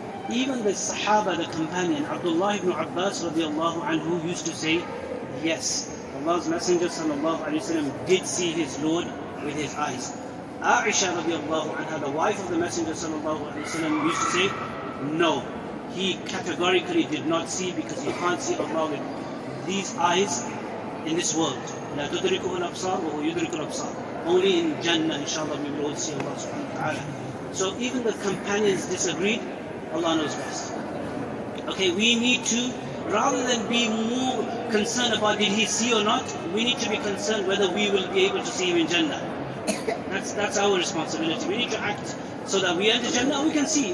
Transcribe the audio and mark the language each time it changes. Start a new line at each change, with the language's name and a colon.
English: Even the Sahaba, the companion, Abdullah ibn Abbas radiallahu anhu, used to say, yes, Allah's Messenger sallallahu alayhi wa sallam did see his Lord with his eyes. Aisha radiallahu anha, the wife of the Messenger sallallahu alayhi wa sallam, used to say, no, he categorically did not see, because he can't see Allah with these eyes in this world.
Arabic: لا تدركه الأبصار وهو يدرك الأبصار.
English: Only in Jannah, inshallah, we will all see Allah subhanahu wa ta'ala. So even the companions disagreed, Allah knows best. Okay, we need to, rather than be more concerned about did he see or not, we need to be concerned whether we will be able to see him in Jannah. That's our responsibility. We need to act so that we enter Jannah, we can see.